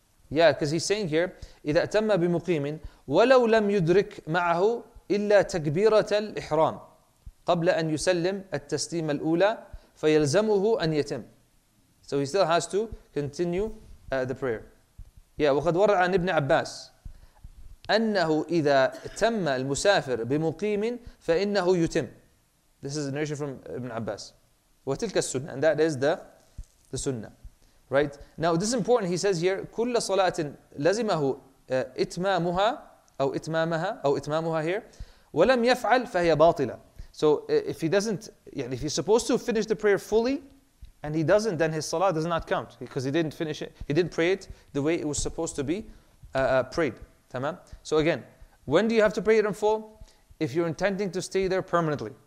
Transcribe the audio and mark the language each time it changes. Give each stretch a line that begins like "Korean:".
English: Yeah, because he's saying here,
Arabic: إِذَا أَتَمَّ بِمُقِيمٍ وَلَوْ لَمْ يُدْرِكْ مَعَهُ إِلَّا تَكْبِيرَةَ الْإِحْرَامِ قَبْلَ أَنْ يُسَلِّمَ التَّسْلِيمَ الْأُولَى فَيَلْزَمُهُ أَنْ يَتِمْ.
English: So he still has to continue the prayer.
Arabic: Yeah, وَقَدْ وَرَعَ عَنْ إِبْنِ عَبَّاسِ أنه إذا تم المسافر بمقيم فإنه يتم.
English: This is a narration from Ibn Abbas.
Arabic: وتلك السنة.
English: And that is the sunnah. Right? Now this is important. He says here,
Arabic: كل صلاة لزمه إتمامها أو إتمامها أو إتمامها here, ولم يفعل فهي باطلة.
English: So if he doesn't, يعني if he's supposed to finish the prayer fully and he doesn't, then his salah does not count, because he didn't finish it. He didn't pray it the way it was supposed to be prayed. So again, when do you have to pray it in full? If you're intending to stay there permanently.